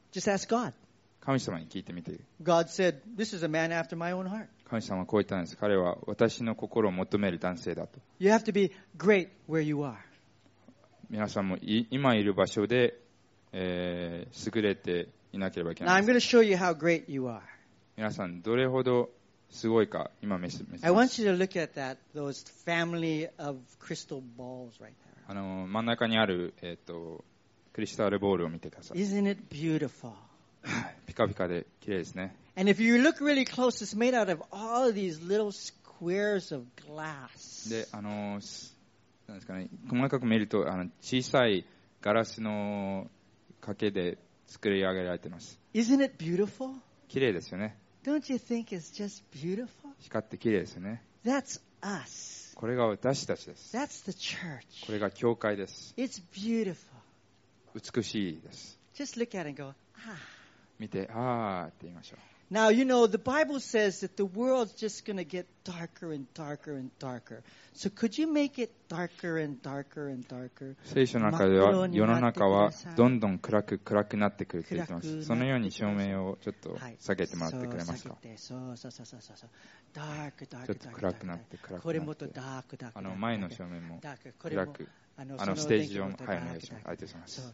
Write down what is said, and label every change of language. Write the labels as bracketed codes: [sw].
[en] Just ask God. [ja] 神様に聞いてみて。 [en] God said, "This is a man after my own heart." [ja] 神様はこう言ったんです。彼は私の心を求める男性だと。 [en] You have to be great where you are. [ja] 皆さんも今いる場所で、優れていなければいけない。 [en] Now I'm going to show you how great you are. [ja] 皆さんどれほどすごいか今見せます。 [en] I want you to look at that those family of crystal balls right there. [ja] 真ん中にあるクリスタルボールを見てください。 [en] Isn't it beautiful? [ja] ピカピカで綺麗ですね。 [en] And if you look really close, it's made out of all of these little squares of glass. [ja] で、なんですかね、細かく見ると小さいガラスのかけで作り上げられています。 [en] Isn't it beautiful? [ja] 綺麗ですよね。 [en] Don't you think it's just beautiful? [ja] 光って綺麗ですよね。 [en] That's us. [ja] これが私たちです。 [en] That's the church. [ja] これが教会です。 [en] It's beautiful. [ja] 美しいです。 [en] Just look at it and go, ah. [ja] 見て、ああって言いましょう。 [en] Now, you know, the Bible says that the world's just going to get darker and darker and darker. So could you make it darker and darker and darker? [ja] 聖書の中では、世の中はどんどん暗くなってくるって言ってます。そのように照明をちょっと下げてもらってくれますか。はい、そう。 [en] Dark, dark, [ja] dark. ちょっと暗くなって。これもっとダークダークダーク。前の照明も暗く。ステージ上も、はい、お願いします。ありがとうございます。